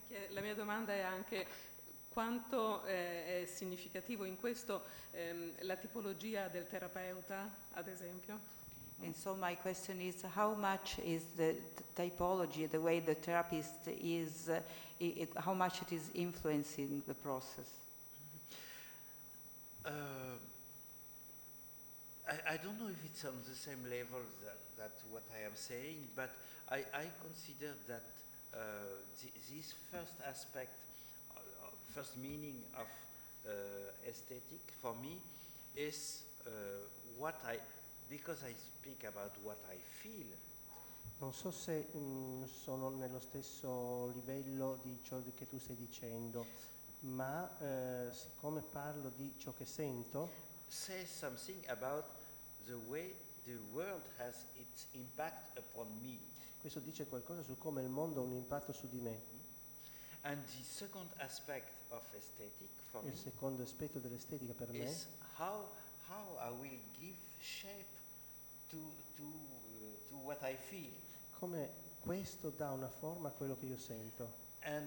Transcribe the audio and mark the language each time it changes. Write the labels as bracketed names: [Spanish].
[Italian] La mia domanda è anche quanto è significativo in questo la tipologia del terapeuta, ad esempio. [English] And so my question is, how much is the typology, the way the therapist is, how much it is influencing the process? I don't know if it's on the same level that what I am saying, but I consider that this first aspect, first meaning of aesthetic for me is what I... Because I speak about what I feel. [Italian] Non so se sono nello stesso livello di ciò che tu stai dicendo, ma siccome parlo di ciò che sento, [English] say something about the way the world has its impact upon me. [Italian] Questo dice qualcosa su come il mondo ha un impatto su di me. [English] And the second aspect of aesthetic for [Italian] il secondo aspetto dell'estetica per me [English] is how I will give shape to what I feel. [Italian] Come questo dà una forma a quello che io sento.